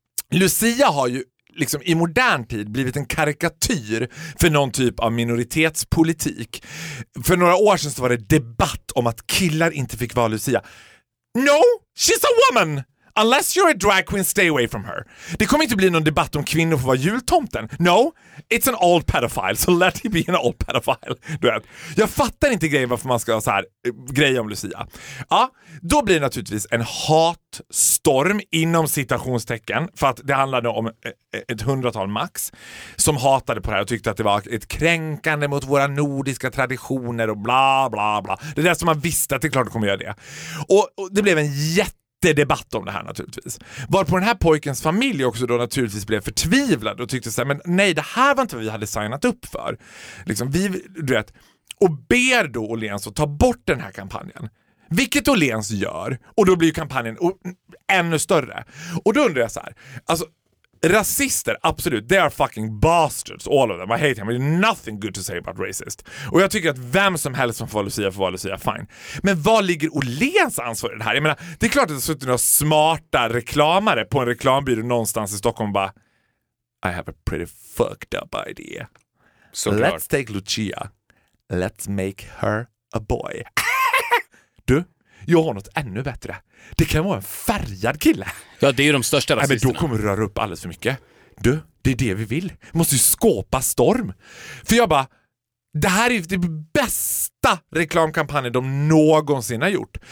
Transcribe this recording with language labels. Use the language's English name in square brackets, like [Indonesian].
[Swedish] Lucia har ju liksom i modern tid blivit en karikatyr för någon typ av minoritetspolitik. För några år sedan så var det debatt om att killar inte fick vara Lucia. [English] No, she's a woman! Unless you're a drag queen, stay away from her. [Swedish] Det kommer inte bli någon debatt om kvinnor får vara jultomten. [English] No, it's an old pedophile, so let him be an old pedophile. [Swedish] Du vet. Jag fattar inte grejen varför man ska ha så här grej om Lucia. Ja, då blir det naturligtvis en hatstorm inom citationstecken, för att det handlade om ett hundratal max som hatade på det här och tyckte att det var ett kränkande mot våra nordiska traditioner och bla bla bla. Det är det som man visste att det klart kommer göra det. Och det blev en jätte debatt om det här naturligtvis. Varpå den här pojkens familj också då naturligtvis blev förtvivlad och tyckte så här, men nej, det här var inte vad vi hade signat upp för. Liksom, vi, du vet, och ber då Åhléns att ta bort den här kampanjen. Vilket Åhléns gör, och då blir kampanjen ännu större. Och då undrar jag så här, alltså, rasister, absolut, [English] they are fucking bastards, all of them. I hate them, there's nothing good to say about racist. [Swedish] Och jag tycker att vem som helst som får vara Lucia, fine. Men var ligger Åhléns ansvar i det här? Jag menar, det är klart att det sitter några smarta reklamare på en reklambyrå någonstans i Stockholm och bara, [English] I have a pretty fucked up idea. So let's take Lucia, let's make her a boy. [Swedish] Du, jag har något ännu bättre. Det kan vara en färgad kille. Ja, det är ju de största rasisterna. Nej, men då kommer du röra upp alldeles för mycket. Du, det är det vi vill. Vi måste ju skapa storm. För jag bara, det här är ju det bästa reklamkampanjen de någonsin har gjort.